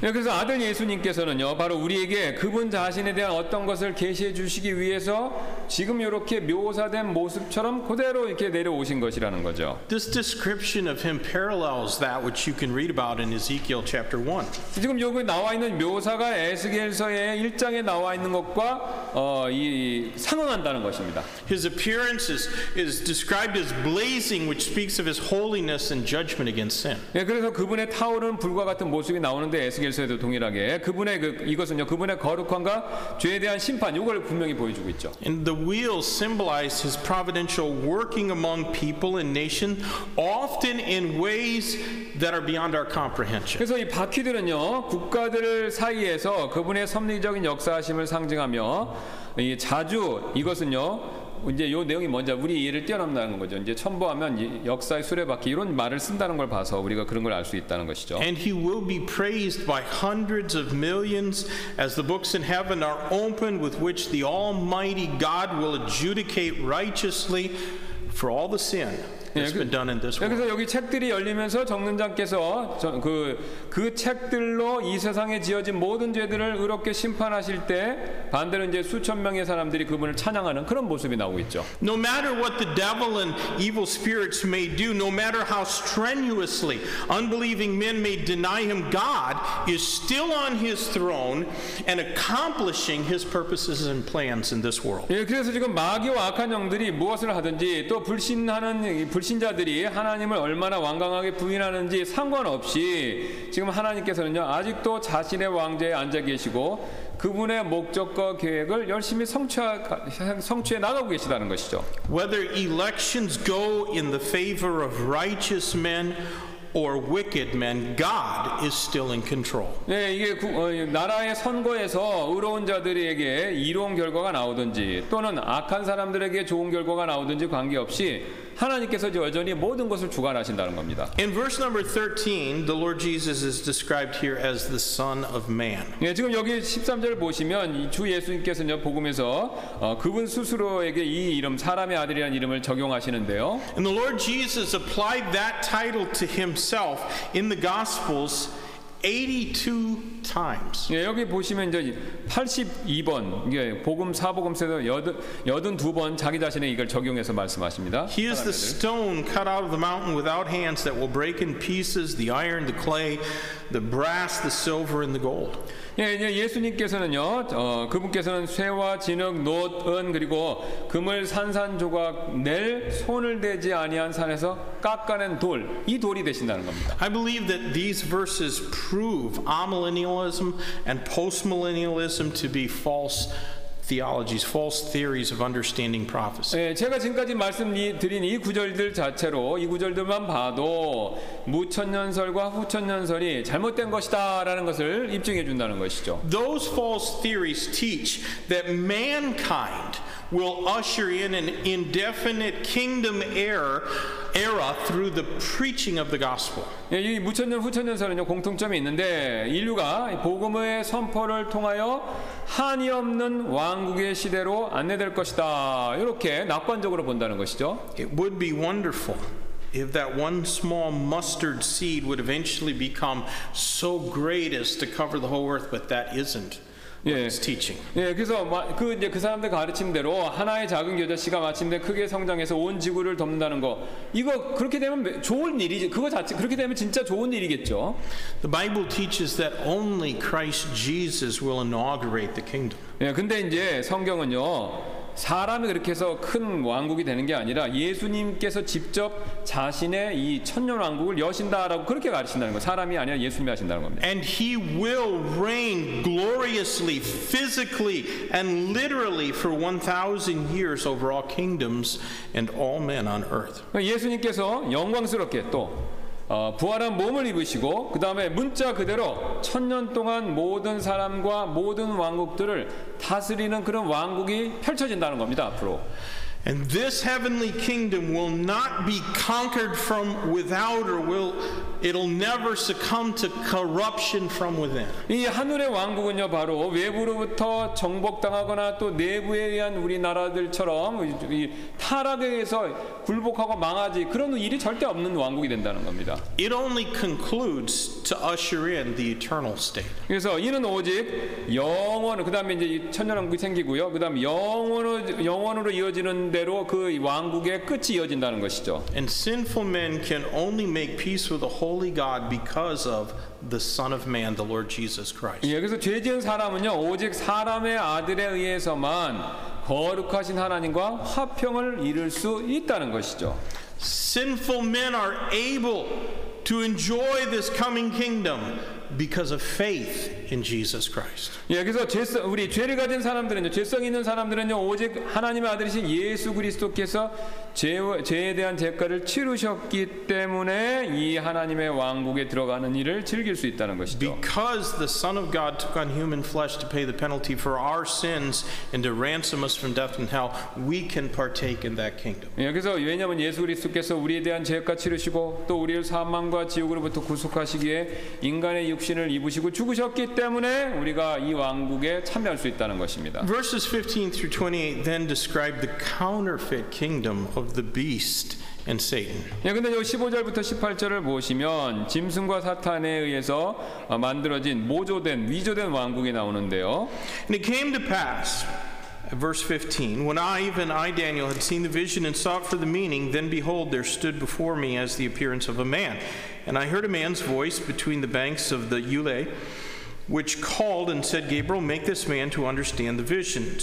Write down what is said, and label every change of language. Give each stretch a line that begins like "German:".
Korean: 그래서 아들 예수님께서는요, 바로 우리에게 그분 자신에 대한 어떤 것을 계시해 주시기 위해서 지금 이렇게 묘사된 모습처럼 그대로 이렇게 내려오신 것이라는 거죠.
English: This description of him parallels that which you can read about in Ezekiel chapter 1.
Korean: 지금 여기 나와 있는 묘사가 에스겔서의 1장에 나와 있는 것과 상응한다는 것입니다.
English: His appearance is described as blazing, which speaks of his holiness and judgment.
Korean: 예, 그래서 그분의 타오르는 불과 같은 모습이 나오는데 에스겔서에도 동일하게 그분의 이것은요 그분의 거룩함과 죄에 대한 심판 이걸 분명히 보여주고 있죠.
English: And the wheel symbolized his providential working among people and nation, often in ways that are beyond our comprehension.
Korean: 그래서 이 바퀴들은요 국가들 사이에서 그분의 섭리적인 역사하심을 상징하며 이 자주 이것은요. 이제 요 내용이 먼저 우리 이해를 뛰어넘는 거죠. 이제 첨부하면 역사의 수레바퀴 이런 말을 쓴다는 걸 봐서 우리가 그런 걸 알 수 있다는 것이죠.
English: And he will be praised by hundreds of millions as the books in heaven are opened with which the Almighty God will adjudicate righteously for all the sin. It's been done in this world.
Korean: 그래서 여기 책들이 열리면서 정론장께서 그 책들로 이 세상에 지어진 모든 죄들을 의롭게 심판하실 때 반대로 이제 수천 명의 사람들이 그분을 찬양하는 그런 모습이 나오고 있죠.
English: No matter what the devil and evil spirits may do, no matter how strenuously unbelieving men may deny him, God is still on his throne and accomplishing his purposes and plans in this world.
Korean: 그래서 지금 마귀와 악한 영들이 무엇을 하든지 또 불신자들이 하나님을 얼마나 완강하게 부인하는지 상관없이 지금 하나님께서는요 아직도 자신의 왕좌에 앉아 계시고 그분의 목적과 계획을 열심히 성취해 나가고 계시다는 것이죠.
English: Whether elections go in the favor of righteous men or wicked men, God is still in control.
Korean: 네, 이게 나라의 선거에서 의로운 자들에게 이로운 결과가 나오든지 또는 악한 사람들에게 좋은 결과가 나오든지 관계없이 하나님께서 여전히 모든 것을 주관하신다는 겁니다.
English: In verse number 13, the Lord Jesus is described here as the Son of Man.
Korean: 예, 지금 여기 13절을 보시면 주 예수님께서는 복음에서 그분 스스로에게 이 이름 사람의 아들이라는 이름을 적용하시는데요.
English: And the Lord Jesus applied that title to himself in the Gospels 82 times.
Korean: 예, 여기 보시면 이제 82번, 이게 복음 사복음서에서 82번 자기 자신에 이걸 적용해서 말씀하십니다.
English: He is the stone cut out of the mountain without hands that will break in pieces the iron, the clay, the brass, the silver and the gold.
Korean: 예, 이제 예수님께서는요. 그분께서는 쇠와 진흙, 놋, 은 그리고 금을 산산조각 낼 손을 대지 아니한 산에서 깎아낸 돌, 이 돌이 되신다는 겁니다.
English: I believe that these verses prove amillennialism and postmillennialism to be false theologies, false theories of understanding prophecy.
Korean: 예, 제가 지금까지 말씀드린 이 구절들 자체로 이 구절들만 봐도 무천년설과 후천년설이 잘못된 것이다라는 것을 입증해 준다는 것이죠.
English: Those false theories teach that mankind will usher in an indefinite kingdom era through the preaching of the gospel.
Korean: 예, 이 무천년 후천년설은요 공통점이 있는데 인류가 복음의 선포를 통하여 한이 없는 왕국의 시대로 안내될 것이다. 이렇게 낙관적으로 본다는 것이죠.
English: It would be wonderful if that one small mustard seed would eventually become so great as to cover the whole earth, but that isn't.
Korean: 예, 예, 그래서 그 이제 그 사람들 가르침대로 하나의 작은 겨자씨가 마침내 크게 성장해서 온 지구를 덮는다는 거, 이거 그렇게 되면 좋은 일이지. 그거 자체 그렇게 되면 진짜 좋은 일이겠죠.
English: The Bible teaches that only Christ Jesus will inaugurate the kingdom.
Korean: 예, 근데 이제 성경은요, 사람이 그렇게 해서 큰 왕국이 되는 게 아니라 예수님께서 직접 자신의 이 천년 왕국을 여신다라고 그렇게 가르친다는 거. 사람이 아니라 예수님이 하신다는 겁니다.
English: And he will reign gloriously, physically and literally for 1000 years over all kingdoms and all men on earth.
Korean: 예수님께서 영광스럽게 또 부활한 몸을 입으시고 그 다음에 문자 그대로 천년 동안 모든 사람과 모든 왕국들을 다스리는 그런 왕국이 펼쳐진다는 겁니다 앞으로.
English: And this heavenly kingdom will not be conquered from without, or will it'll never succumb to corruption from within.
Korean: 이 하늘의 왕국은요 바로 외부로부터 정복당하거나 또 내부에 의한 우리나라들처럼 타락해서 굴복하고 망하지 그런 일이 절대 없는 왕국이 된다는 겁니다.
English: It only concludes to usher in the eternal state.
Korean: 그래서 이는 오직 영원, 그 다음에 이제 천년 왕국이 생기고요, 그 다음 영원으로 이어지는 대로 그 왕국의 끝이 이어진다는 것이죠.
English: And sinful men can only make peace with the holy God because of the Son of Man, the Lord Jesus Christ.
Korean: 예, 그래서 죄 지은 사람은요 오직 사람의 아들에 의해서만 거룩하신 하나님과 화평을 이룰 수 있다는 것이죠.
English: Sinful men are able to enjoy this coming kingdom because of faith in Jesus Christ.
Korean: 예, 그래서 우리 죄를 가진 사람들은요, 죄성 있는 사람들은요, 오직 하나님의 아들이신 예수 그리스도께서 죄에 대한 대가를 치르셨기 때문에 이 하나님의 왕국에 들어가는 일을 즐길 수 있다는 것이죠.
English: Because the Son of God took on human flesh to pay the penalty for our sins and to ransom us from death and hell, we can partake in that kingdom.
Korean: 예, 그래서 왜냐하면 예수 그리스도께서 우리에 대한 죄가 치르시고 또 우리를 사망과 지옥으로부터 구속하시기에 인간의 육신을 입으시고 죽으셨기 때문에 우리가 이 왕국에 참여할 수 있다는 것입니다.
English: Verses 15 through 28 then describe the counterfeit kingdom of the beast and Satan.
Korean: 예, 근데 여기 15절부터 18절을 보시면 짐승과 사탄에 의해서 만들어진 모조된 위조된 왕국이 나오는데요.
English: And it came to pass, verse 15, when I Daniel had seen the vision and sought for the meaning, then behold, there stood before me as the appearance of a man, and I heard a man's voice between the banks of the Ulai, which called and said, Gabriel, make this man to understand the vision.